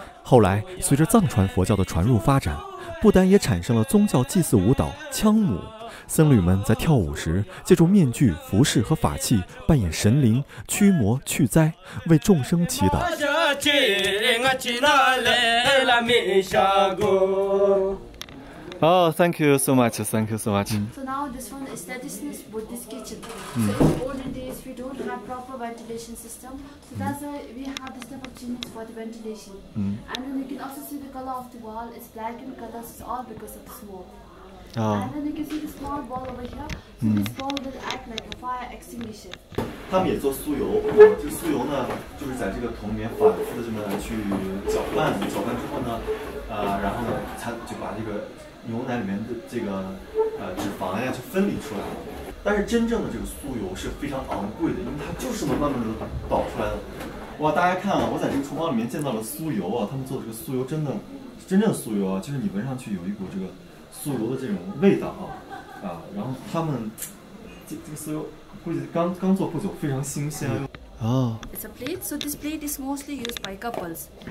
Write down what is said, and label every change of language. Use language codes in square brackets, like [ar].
[zh] 后来，随着藏传佛教的传入发展，不丹也产生了宗教祭祀舞蹈羌舞，僧侣们在跳舞时借助面具、服饰和法器扮演神灵，驱魔去灾，为众生祈祷。 [en] Oh, thank you so much. So now this one is traditional Buddhist kitchen. So in the olden days, we don't have proper ventilation system. So that's why we have this type of chimney for the ventilation. And then you can also see the color of the wall. It's black in color. So it's all because of the smoke. And then you can see the small ball over here. So this ball will act like a fire extinguisher. [zh] 他们也做酥油，这酥油呢，就是在这个桶里面反复的这么去搅拌之后呢，然后呢，它就把这个牛奶里面的这个脂肪呀，就分离出来了。但是真正的这个酥油是非常昂贵的，因为它就是能慢慢的倒出来的。哇，大家看啊，我在这个厨房里面见到了酥油啊，他们做的这个酥油真正酥油啊，就是你闻上去有一股这个酥油的这种味道啊。啊，然后他们这个酥油估计刚做不久，非常新鲜。哦、 [en] It's a plate, so this plate is mostly used by couples.